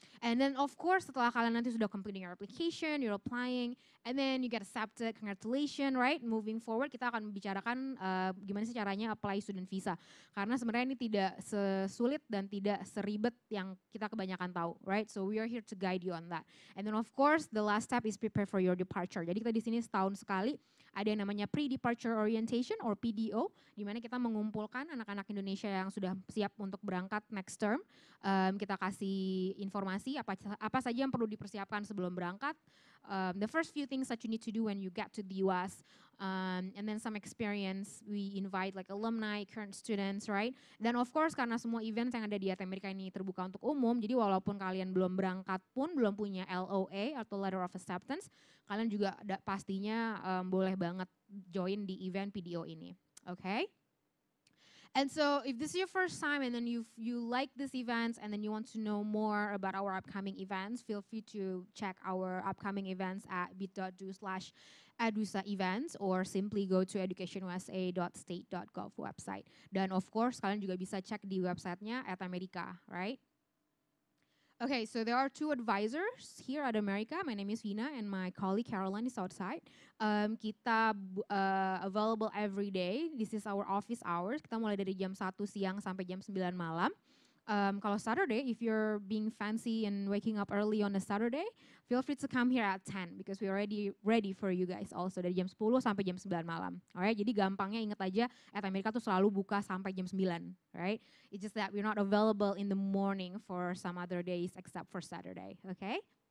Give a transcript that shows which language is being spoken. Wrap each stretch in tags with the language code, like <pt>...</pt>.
<en>And then of course</en> <id>setelah kalian nanti sudah</id> <en>completing your application, you're applying, and then you get accepted, congratulations, right? Moving forward</en> <id>kita akan membicarakan gimana sih caranya apply student visa. Karena sebenarnya ini tidak sesulit dan tidak seribet yang kita kebanyakan tahu, right?</id> <en>So we are here to guide you on that. And then of course the last step is prepare for your departure.</en> <id>Jadi kita di sini setahun sekali ada yang namanya pre-departure orientation or PDO, di mana kita mengumpulkan anak-anak Indonesia yang sudah siap untuk berangkat</id> <en>next term.</en> <id>Kita kasih informasi apa saja yang perlu dipersiapkan sebelum berangkat.</id> <en>The first few things that you need to do when you get to the US, and then some experience. We invite like alumni, current students, right? Then of course</en> <id>karena semua event yang ada di ATM Amerika ini terbuka untuk umum, jadi walaupun kalian belum berangkat pun, belum punya LOA atau letter of acceptance, kalian juga pastinya boleh banget join di event PDO ini, okay?</id> <en>And so if this is your first time and then you like this event and then you want to know more about our upcoming events, feel free to check our upcoming events at bit.do/edusa events or simply go to educationusa.state.gov website.</en> <id>Dan of course kalian juga bisa cek di websitenya at America, right?</id> <en>Okay, so there are two advisors here at America. My name is Vina and my colleague Caroline is outside.</en> <id>Kita available every day.</id> <en>This is our office hours.</en> <id>Kita mulai dari jam 1 siang sampai jam 9 malam.</id> <en>Kalau Saturday, if you're being fancy and waking up early on a Saturday, feel free to come here at 10 because we're already ready for you guys also</en> <id>dari jam 10 sampai jam 9 malam.</id> <en>Alright,</en> <id>jadi gampangnya ingat aja, at America tuh selalu buka sampai jam 9, right?</id> <en>It's just that we're not available in the morning for some other days except for Saturday, okay?</en>